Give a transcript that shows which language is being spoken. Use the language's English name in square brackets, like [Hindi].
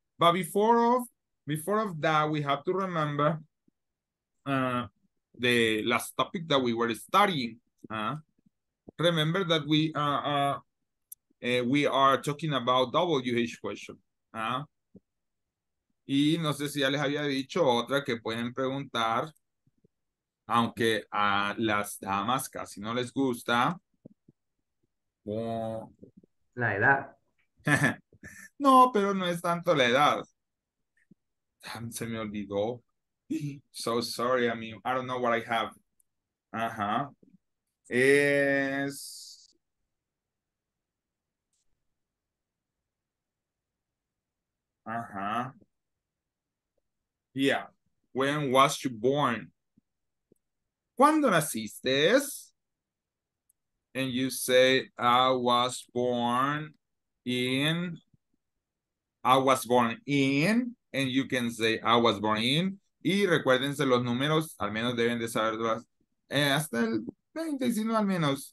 [English] But before of that, we have to remember the last topic that we were studying. Remember that we are talking about WH question. [Spanish] Y no sé si ya les había dicho otra que pueden preguntar. Aunque a las damas casi no les gusta. La edad. No, pero no es tanto la edad. Se me olvidó. [English] So sorry, amigo. I don't know what I have. Ajá. [Spanish] Es. [English] Ajá. Yeah. When was you born? [Spanish] ¿Cuándo naciste? [English] And you say, I was born in, and you can say, I was born in. [Spanish] Y recuérdense los números, al menos deben de saberlo hasta el 20, si no al menos.